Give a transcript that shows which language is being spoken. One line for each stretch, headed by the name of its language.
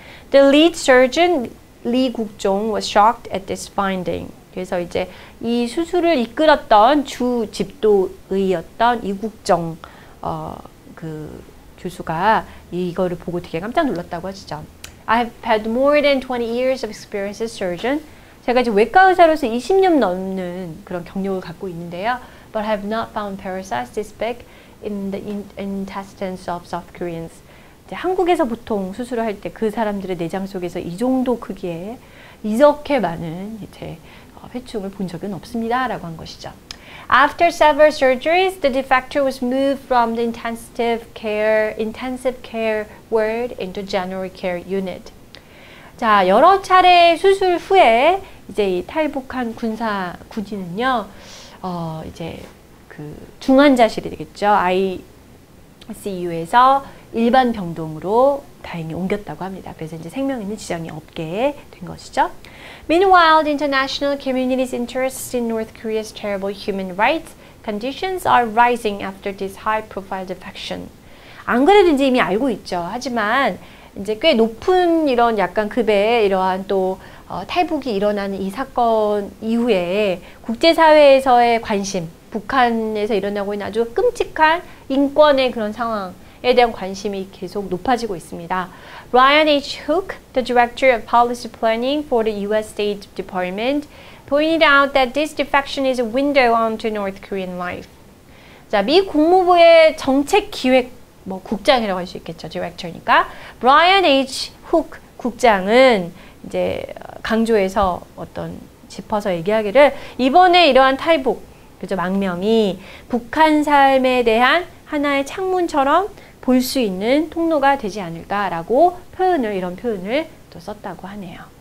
English: The lead surgeon, Lee Guk-jong, was shocked at this finding.
Korean: 그래서 이제 이 수술을 이끌었던 주 집도의였던 이국정 그 교수가 이거를 보고 되게 깜짝 놀랐다고 하시죠.
English: I have had more than 20 years of experience as a surgeon.
Korean: 제가 이제 외과 의사로서 20년 넘는 그런 경력을 갖고 있는데요.
English: But I have not found parasites this big in the intestines of South Koreans.
Korean: 이제 한국에서 보통 수술을 할 때 그 사람들의 내장 속에서 이 정도 크기에 이렇게 많은 이제 회충을 본 적은 없습니다 라고 한 것이죠.
English: After several surgeries, the defector was moved from the intensive care ward into general care unit.
Korean: 자, 여러 차례 수술 후에 이제 이 탈북한 군인은요, 이제 그 중환자실이 되겠죠. ICU에서 일반 병동으로 다행히 옮겼다고 합니다. 그래서 이제 생명 있는 지장이 없게 된 것이죠.
English: Meanwhile, the international community's interest in North Korea's terrible human rights conditions are rising after this high-profile defection.
Korean: 안 그래도 이제 이미 알고 있죠. 하지만 이제 꽤 높은 이런 약간 급의 이러한 또 탈북이 일어나는 이 사건 이후에 국제사회에서의 관심, 북한에서 일어나고 있는 아주 끔찍한 인권의 그런 상황 에 대한 관심이 계속 높아지고 있습니다.
English: Ryan H. Hook, the director of policy planning for the U.S. State Department, pointed out that this defection is a window onto North Korean life.
Korean: 자, 미 국무부의 정책 기획 뭐 국장이라고 할 수 있겠죠, 디렉터니까.
English: Ryan H.
Korean: Hook 국장은 이제 강조해서 어떤 짚어서 얘기하기를 이번에 이러한 탈북 그죠 망명이 북한 삶에 대한 하나의 창문처럼 볼 수 있는 통로가 되지 않을까라고 표현을 이런 표현을 또 썼다고 하네요.